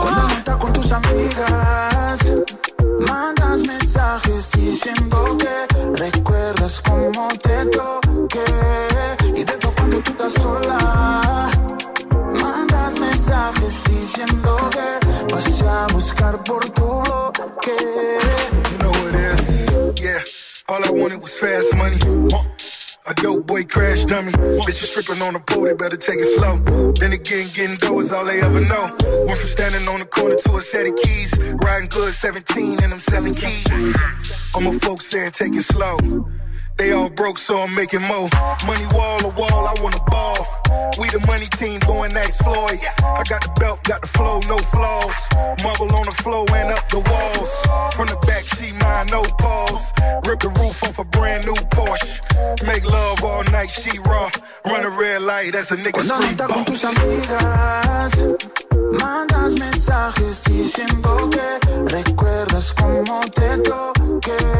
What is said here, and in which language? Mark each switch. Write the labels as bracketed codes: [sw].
[es] Cuando no estás con tus amigas, mandas mensajes diciendo que recuerdas cómo te toqué. Y de todo cuando tú estás sola, mandas mensajes diciendo que vas a buscar por tu bloque. [en] You know what it is, yeah. All I wanted was fast money, huh. A dope boy crash dummy. Bitch, you strippin' on the pole, they better take it slow. Then again, getting dough is all they ever know. Went from standing on the corner to a set of keys. Riding good, 17, and I'm selling keys. All my folks saying, take it slow. They all broke, so I'm making more. Money wall to wall, I wanna ball. We the money team, going next floor. I got the belt, got the flow, no flaws. Marble on the floor and up the walls. From the back, see mine, no pause. Rip the roof off a brand new Porsche. Make love all night, she raw. Run a red light, that's a nigga cuando scream boss. [es] Cuando no estás con tus amigas, mandas mensajes diciendo que recuerdas como te toqué.